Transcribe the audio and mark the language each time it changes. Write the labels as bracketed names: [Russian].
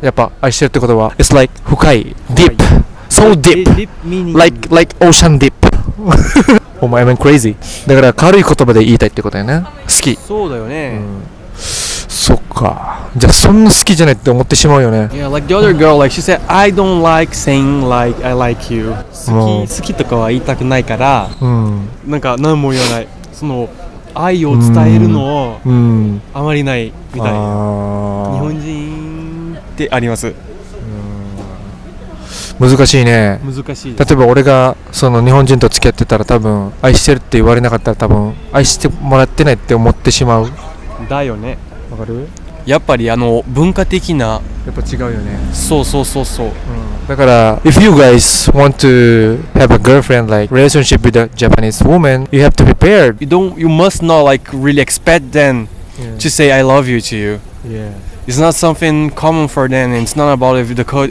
[Japanese] やっぱ愛してるってことは [English] It's like [Japanese] 深い [English] Deep So deep Like ocean deep。 [Japanese] お前 [English] I'm crazy。 [Japanese] だから軽い言葉で言いたいってことだよね。好き。そうだよね、うん、そっか。じゃあそんな好きじゃないって思ってしまうよね。 [English] Yeah, like the other girl, like she said I don't like saying like I like you。 [Japanese] 好きとかは言いたくないから、うん、なんか何も言わない。その愛を伝えるのをあまりないみたいな、うん、日本人ってあります。うん、難しいね。難しい。例えば俺がその日本人と付き合ってたら多分愛してるって言われなかったら多分愛してもらってないって思ってしまうだよね。わかる。やっぱりあの文化的な。やっぱ違うよね。そう、うん、だから [English] If you guys want to have a girlfriend like relationship with a Japanese woman, you have to prepare. You must not like really expect them、yeah. to say I love you to you. Yeah. It's not something common for them. It's not about the code.